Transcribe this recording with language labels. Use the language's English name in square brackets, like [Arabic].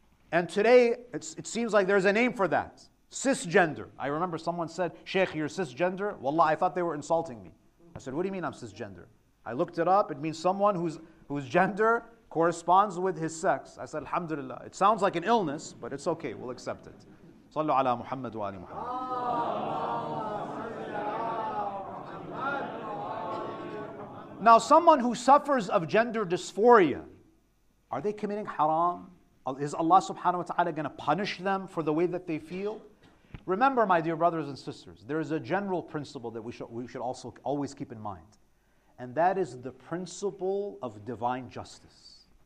[English] And today, it seems like there's a name for that. Cisgender. I remember someone said, Sheikh, you're cisgender? Wallah, I thought they were insulting me. I said, what do you mean I'm cisgender? I looked it up. It means someone whose gender corresponds with his sex. I said, Alhamdulillah. It sounds like an illness, but it's okay. We'll accept it. [Arabic] صلوا على محمد وآل محمد. اللهم صل على محمد وآل محمد. [English] Now, someone who suffers of gender dysphoria, are they committing haram? Is Allah subhanahu wa ta'ala going to punish them for the way that they feel? Remember, my dear brothers and sisters, there is a general principle that we should also always keep in mind. And that is the principle of divine justice.